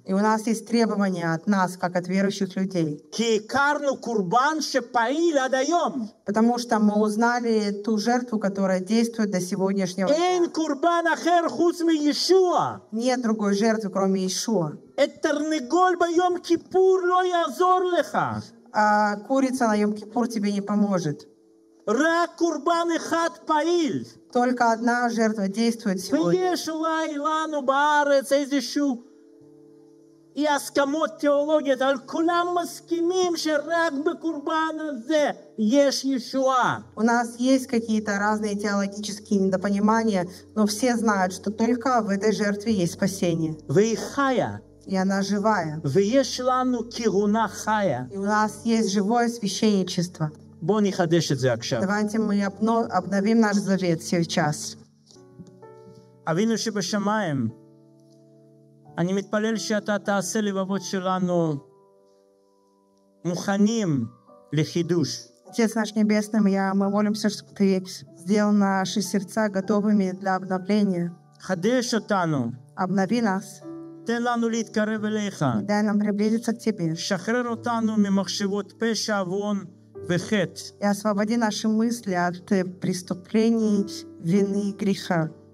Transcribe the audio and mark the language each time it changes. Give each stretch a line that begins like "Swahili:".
Russian: и у нас есть требования от нас, как от верующих людей.
Hebrew: כי הכרנו קורבן שפעיל עד היום.
Russian: потому что мы узнали ту жертву, которая действует до сегодняшнего.
Hebrew: אין קורבן אחר חוץ מישוע.
Russian: нет другой жертвы, кроме Иешуа.
Hebrew: את תרנגול ביום כיפור לא יעזור לך.
Russian: курица на Йом Кипур тебе не поможет.
Hebrew: רק קורבן אחד פעיל.
Russian: Только одна жертва действует сегодня.
Hebrew: ויש אולי לנו בארץ איזשהו אי הסכמות תיאולוגיות, אבל כולם מסכימים שרק בקורבן הזה יש ישועה.
Russian: У нас есть какие-то разные теологические недопонимания, но все знают, что только в этой жертве есть спасение.
Hebrew: והיא חיה.
Russian: И она живая.
Hebrew: ויש לנו כהונה חיה.
Russian: И у нас есть живое священничество.
Hebrew: בוא נחדש את זה עכשיו.
Russian: Давайте мы обновим наш завет сейчас.
Hebrew: אבינו שבשמיים, אני מתפלל שאתה תעשה לבבות שלנו מוכנים לחידוש.
Russian: Отец наш небесный, мы молимся, чтобы ты сделал наши сердца готовыми для обновления.
Hebrew: חדש אותנו.
Russian: Обнови нас.
Hebrew: תן לנו להתקרב אליך.
Russian: Дай нам приблизиться к тебе.
Hebrew: שחרר אותנו ממחשבות פשע ועוון.
Russian: И освободи наши мысли от преступлений, вины и греха.